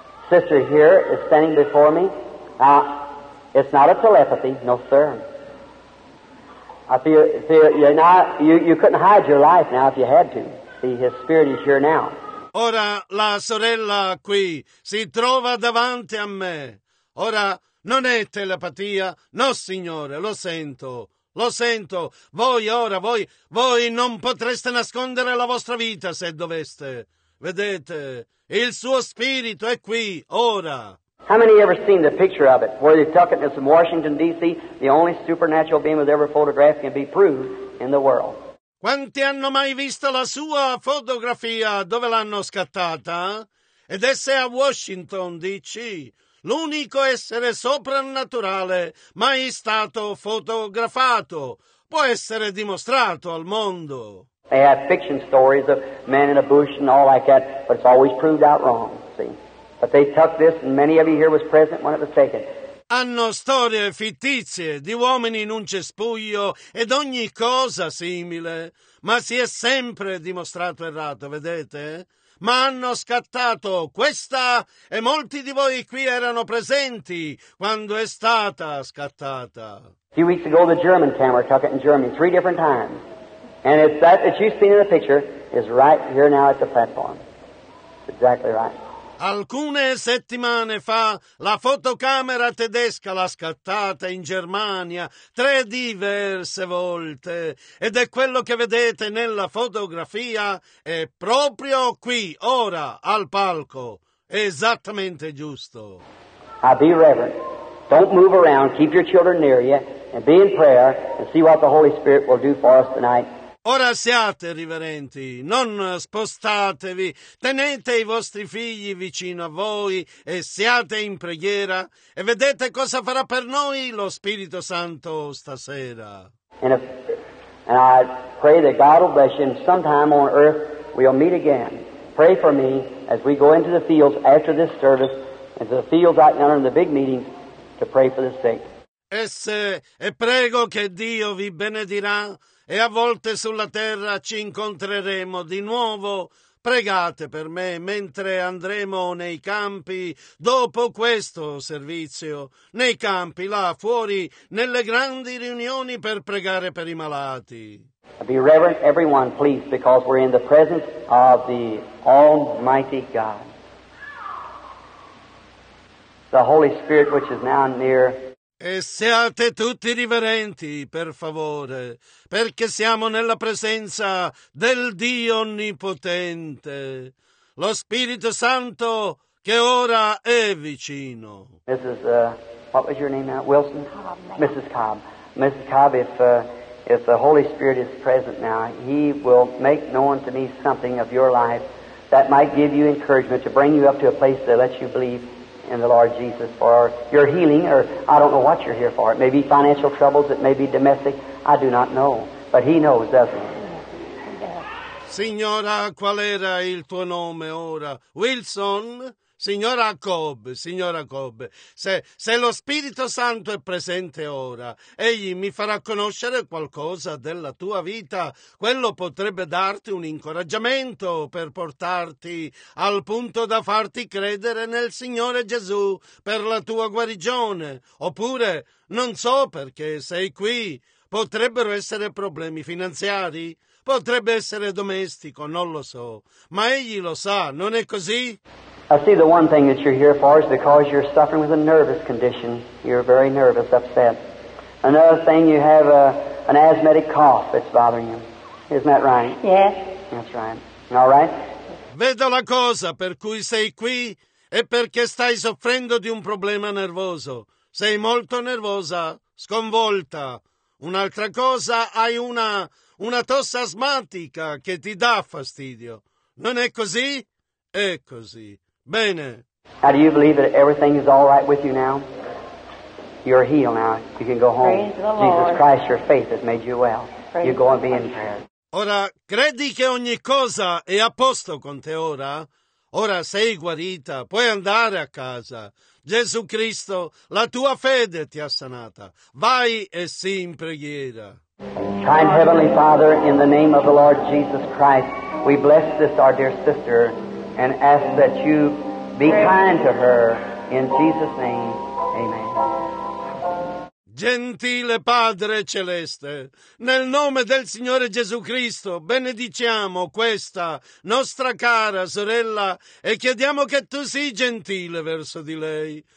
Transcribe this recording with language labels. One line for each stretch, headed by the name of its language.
English: Sister here is standing before me. It's not a telepathy, no sir. You couldn't hide your life now if you had to. See, his spirit is here now.
Italian: Ora la sorella qui si trova davanti a me. Ora non è telepatia, no signore, lo sento. Lo sento. Voi ora, voi non potreste nascondere la vostra vita se doveste. Vedete, il suo spirito è qui ora.
English: How many ever seen the picture of it? Where they took it in Washington D.C. The only supernatural being that ever photographed can be proved in the world.
Italian: Quanti hanno mai visto la sua fotografia? Dove l'hanno scattata? Ed esse a Washington D.C. L'unico essere soprannaturale mai stato fotografato può essere dimostrato al mondo.
English: They have fiction stories of men in a bush and all like that, but it's always proved out wrong, see. But they took this, and many of you here was present when it was taken.
Italian: Hanno storie fittizie di uomini in un cespuglio ed ogni cosa simile, ma si è sempre dimostrato errato, vedete? Ma hanno scattato questa, e molti di voi qui erano presenti quando è stata scattata.
English: A few weeks ago the German camera took it in Germany 3 different times. And it's that that you've seen in the picture is right here now at the platform. Exactly right.
Italian: Alcune settimane fa la fotocamera tedesca l'ha scattata in Germania 3 diverse volte. Ed è quello che vedete nella fotografia è proprio qui, ora, al palco. Esattamente giusto.
English: Now be reverent. Don't move around. Keep your children near you. And be in prayer and see what the Holy Spirit will do for us tonight.
Italian: Ora siate riverenti, non spostatevi, tenete i vostri figli vicino a voi e siate in preghiera e vedete cosa farà per noi lo Spirito Santo stasera.
English: And I pray that God will bless you and sometime on earth we'll meet again. Pray for me as we go into the fields after this service, into the fields out there in the big meetings to pray for the sick.
Italian: E prego che Dio vi benedirà. E a volte sulla terra ci incontreremo di nuovo. Pregate per me mentre andremo nei campi, dopo questo servizio, nei campi là fuori, nelle grandi riunioni per pregare per i malati.
English: Be reverent, everyone, please, because we're in the presence of the Almighty God. The Holy Spirit, which is now near.
Italian: E siate tutti riverenti, per favore, perché siamo nella presenza del Dio Onnipotente, lo Spirito Santo che ora è vicino.
English: What was your name now? Wilson? Mrs. Cobb. Mrs. Cobb, if the Holy Spirit is present now, he will make known to me something of your life that might give you encouragement to bring you up to a place that lets you believe in the Lord Jesus for your healing, or I don't know what you're here for. It may be financial troubles, it may be domestic, I do not know. But he knows, doesn't he?
Italian: Signora, qual era il tuo nome ora? Wilson? Signora Cobb, se lo Spirito Santo è presente ora, egli mi farà conoscere qualcosa della tua vita. Quello potrebbe darti un incoraggiamento per portarti al punto da farti credere nel Signore Gesù per la tua guarigione. Oppure, non so perché sei qui, potrebbero essere problemi finanziari? Potrebbe essere domestico, non lo so. Ma egli lo sa, non è così?
English: I see the one thing that you're here for is because you're suffering with a nervous condition. You're very nervous, upset. Another thing, you have an asthmatic cough that's bothering you. Isn't that right? Yes. That's right. All right?
Italian: Vedo la cosa per cui sei qui è perché stai soffrendo di un problema nervoso. Sei molto nervosa, sconvolta. Un'altra cosa, hai una una tosse asmatica che ti dà fastidio. Non è così? È così. Bene.
English: Now, do you believe that everything is all right with you now? You're healed now. You can go home. Praise the Lord. Jesus Christ, your faith has made you well. Praise you go and be in prayer.
Italian: Ora, credi che ogni cosa è a posto con te ora? Ora sei guarita, puoi andare a casa. Gesù Cristo, la tua fede ti ha sanata. Vai e sii in preghiera.
English: Kind Heavenly Father, in the name of the Lord Jesus Christ, we bless this our dear sister and ask that you be kind to her. In Jesus' name, amen.
Italian: Gentile Padre Celeste, nel nome del Signore Gesù Cristo, benediciamo questa nostra cara sorella e chiediamo che tu sii gentile verso di lei.